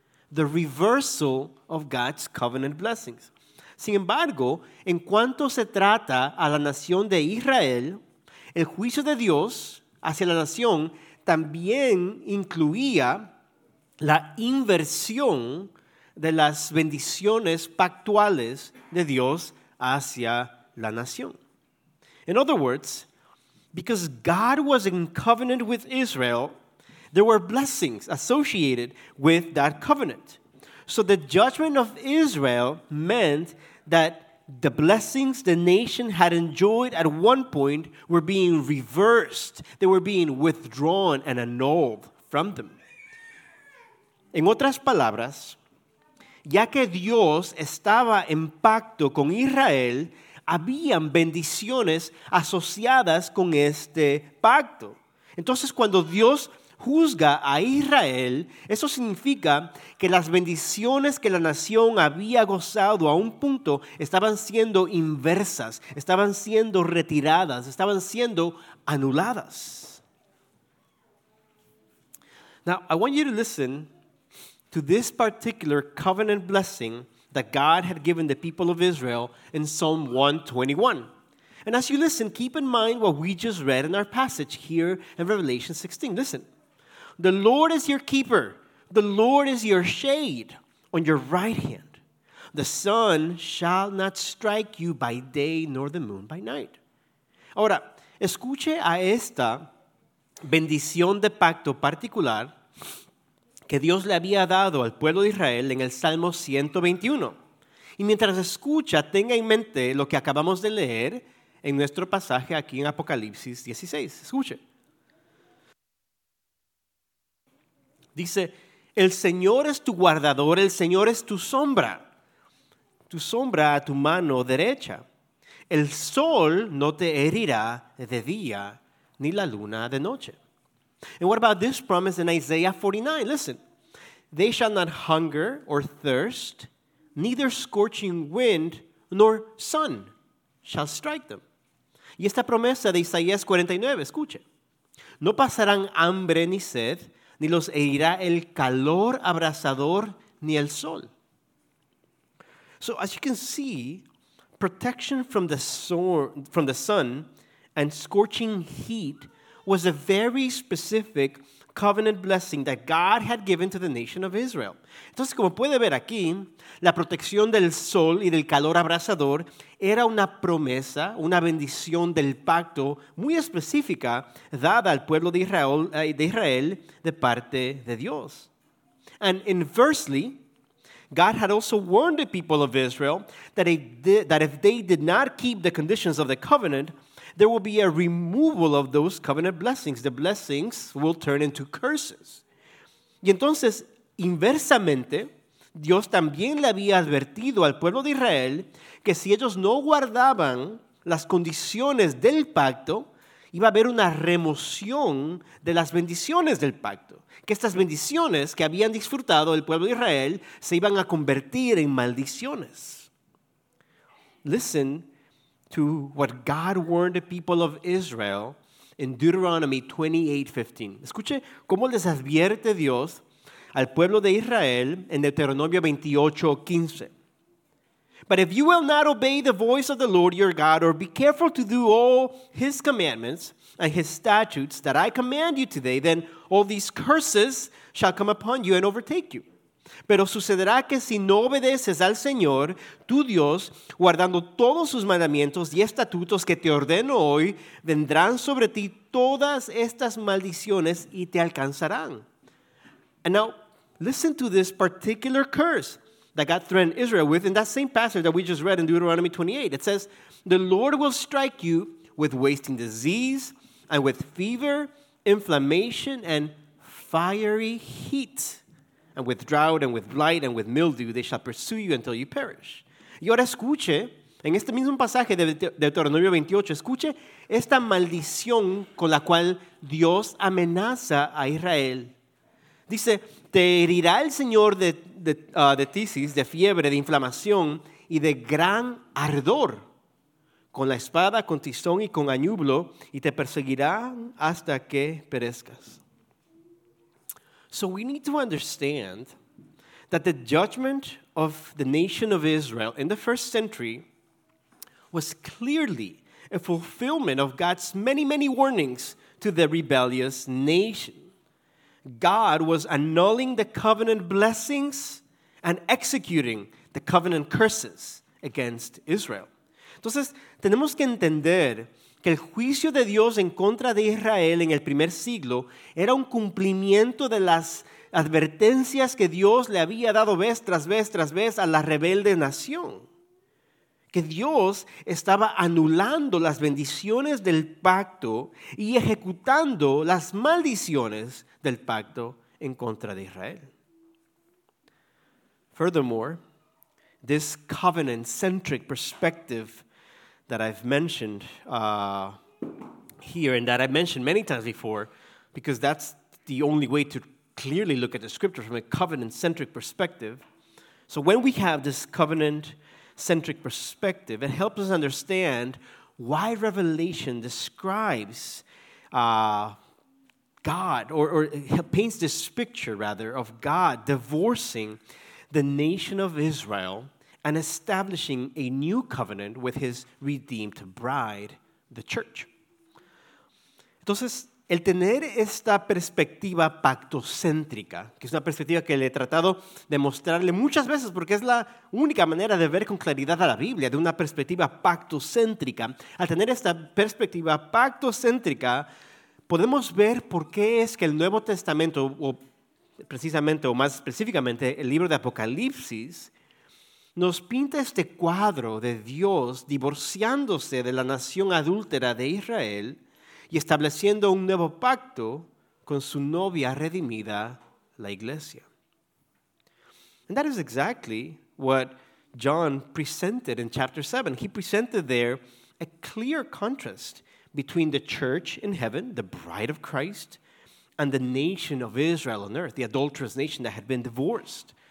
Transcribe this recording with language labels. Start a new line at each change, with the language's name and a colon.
English: The reversal of God's covenant blessings.
Spanish: Sin embargo, en cuanto se trata a la nación de Israel, el juicio de Dios hacia la nación también incluía la inversión de las bendiciones pactuales de Dios hacia la nación.
English: In other words, because God was in covenant with Israel, there were blessings associated with that covenant. So the judgment of Israel meant that the blessings the nation had enjoyed at one point were being reversed. They were being withdrawn and annulled from them.
Spanish: En otras palabras, ya que Dios estaba en pacto con Israel, habían bendiciones asociadas con este pacto. Entonces, cuando Dios juzga a Israel, eso significa que las bendiciones que la nación había gozado a un punto estaban siendo inversas, estaban siendo retiradas, estaban siendo anuladas.
English: Now, I want you to listen to this particular covenant blessing that God had given the people of Israel in Psalm 121. And as you listen, keep in mind what we just read in our passage here in Revelation 16. Listen. The Lord is your keeper. The Lord is your shade on your right hand. The sun shall not strike you by day nor the moon by night.
Spanish: Ahora, escuche a esta bendición de pacto particular que Dios le había dado al pueblo de Israel en el Salmo 121. Y mientras escucha, tenga en mente lo que acabamos de leer en nuestro pasaje aquí en Apocalipsis 16. Escuche. Dice, el Señor es tu guardador, el Señor es tu sombra a tu mano derecha. El sol no te herirá de día, ni la luna de noche.
English: And what about this promise in Isaiah 49? Listen, they shall not hunger or thirst, neither scorching wind nor sun shall strike them.
Spanish: Y esta promesa de Isaías 49, escuche. No pasarán hambre ni sed, ni los herirá el calor abrasador ni el sol.
English: So as you can see, protection from the sun and scorching heat was a very specific covenant blessing that God had given to the nation of Israel.
Spanish: Entonces, como puede ver aquí, la protección del sol y del calor abrasador era una promesa, una bendición del pacto muy específica dada al pueblo de Israel de parte de Dios.
English: And inversely, God had also warned the people of Israel that if they did not keep the conditions of the covenant, there will be a removal of those covenant blessings. The blessings will turn into curses.
Spanish: Y entonces, inversamente, Dios también le había advertido al pueblo de Israel que si ellos no guardaban las condiciones del pacto, iba a haber una remoción de las bendiciones del pacto. Que estas bendiciones que habían disfrutado el pueblo de Israel se iban a convertir en maldiciones.
English: Listen to what God warned the people of Israel in Deuteronomy 28:15.
Spanish: Escuche cómo les advierte Dios al pueblo de Israel en Deuteronomio 28:15.
English: But if you will not obey the voice of the Lord your God or be careful to do all his commandments and his statutes that I command you today, then all these curses shall come upon you and overtake you.
Spanish: Pero sucederá que si no obedeces al Señor, tu Dios, guardando todos sus mandamientos y estatutos que te ordeno hoy, vendrán sobre ti todas estas maldiciones y te alcanzarán.
English: And now, listen to this particular curse that God threatened Israel with in that same passage that we just read in Deuteronomy 28. It says, the Lord will strike you with wasting disease and with fever, inflammation, and fiery heat. And with drought, and with blight, and with mildew, they shall pursue you until you perish.
Spanish: Y ahora escuche, en este mismo pasaje de Deuteronomio 28, escuche esta maldición con la cual Dios amenaza a Israel. Dice, te herirá el Señor de tisis, de fiebre, de inflamación, y de gran ardor, con la espada, con tizón y con añublo, y te perseguirá hasta que perezcas.
English: So we need to understand that the judgment of the nation of Israel in the first century was clearly a fulfillment of God's many, many warnings to the rebellious nation. God was annulling the covenant blessings and executing the covenant curses against Israel.
Spanish: Entonces, tenemos que entender que el juicio de Dios en contra de Israel en el primer siglo era un cumplimiento de las advertencias que Dios le había dado vez tras vez a la rebelde nación. que Dios estaba anulando las bendiciones del pacto y ejecutando las maldiciones del pacto en contra de Israel.
English: Furthermore, this covenant-centric perspective that I've mentioned here and that I've mentioned many times before, because that's the only way to clearly look at the scripture from a covenant-centric perspective. So when we have this covenant-centric perspective, it helps us understand why Revelation describes God, or paints this picture, rather, of God divorcing the nation of Israel and establishing a new covenant with his redeemed bride, the church.
Spanish: Entonces, el tener esta perspectiva pactocéntrica, que es una perspectiva que le he tratado de mostrarle muchas veces porque es la única manera de ver con claridad a la Biblia, de una perspectiva pactocéntrica. Al tener esta perspectiva pactocéntrica, podemos ver por qué es que el Nuevo Testamento, o precisamente, o más específicamente, el libro de Apocalipsis, nos pinta este cuadro de Dios divorciándose de la nación adúltera de Israel y estableciendo un nuevo pacto con su novia redimida, la iglesia.
English: And that is exactly what John presented in chapter 7. He presented there a clear contrast between the church in heaven, the bride of Christ, and the nation of Israel on earth, the adulterous nation that had been divorced.